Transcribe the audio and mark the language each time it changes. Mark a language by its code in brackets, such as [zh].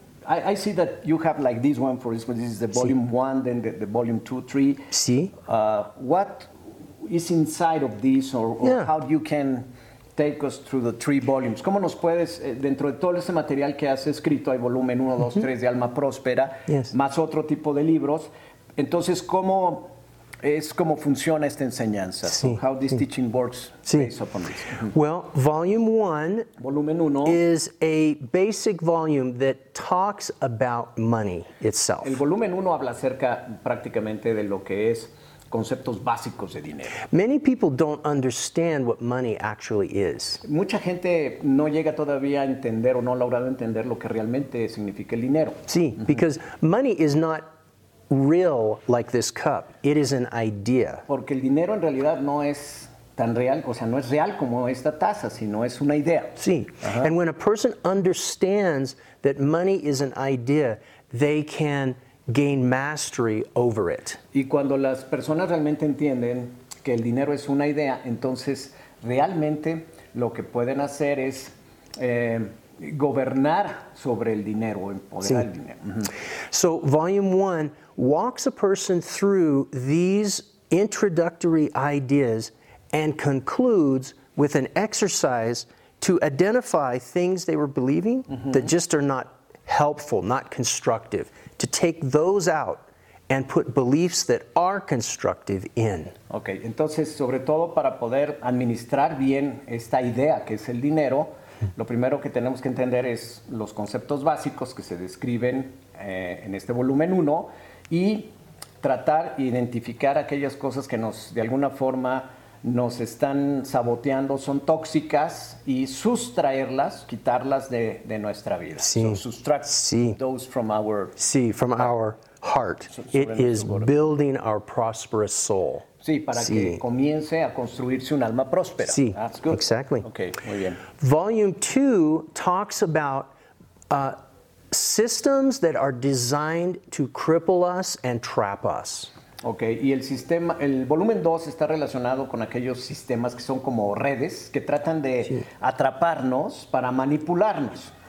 [en] I see that you have like this one, for instance, this is the volume sí. one, then the volume two, three. [es] Sí. [en] What is inside of this or yeah. how you can take us through the three volumes? [es] ¿Cómo nos puedes, dentro de todo ese material que has escrito, hay volumen uno, mm-hmm. dos, tres de Alma Próspera, [en] yes. [es] más otro tipo de libros? Entonces, ¿cómo es cómo funciona esta enseñanza. Sí. So [en] how this teaching works. [es] Sí. [en] Based upon this. Well, volume one, [es] volumen uno, [en] is a basic volume that talks about money itself. [es] El volumen uno habla acerca prácticamente de lo que es conceptos básicos de dinero. [en] Many people don't understand what money actually is. [es] Mucha gente no llega todavía a entender o no ha logrado entender lo que realmente significa el dinero. [en] Sí, because money is not real like this cup. It is an idea. [es] Porque el dinero en realidad no es tan real, o sea, no es real como esta taza, sino es una idea. Sí. Uh-huh. [en] And when a person understands that money is an idea, they can gain mastery over it. [es] Y cuando las personas realmente entienden que el dinero es una idea, entonces realmente lo que pueden hacer es gobernar sobre el dinero, empoderar el dinero. [en] So, volume one walks a person through these introductory ideas and concludes with an exercise to identify things they were believing that just are not helpful, not constructive, to take those out and put beliefs that are constructive in. [es] Okay, entonces, sobre todo para poder administrar bien esta idea que es el dinero, lo primero que tenemos que entender es los conceptos básicos que se describen en este volumen 1 y tratar de identificar aquellas cosas que nos, de alguna forma, nos están saboteando, son tóxicas, y sustraerlas, quitarlas de nuestra vida. Sí. [en] So subtract those from our... Sí, from our heart. It is building our prosperous soul. [es] Sí, para que comience a construirse un alma próspera. Sí, [en] that's good. Exactly. [es] Okay, muy bien. [en] Volume 2 talks about systems that are designed to cripple us and trap us. [es] Okay, y el sistema, el volumen 2 está relacionado con aquellos sistemas que son como redes que tratan de atraparnos para manipularnos.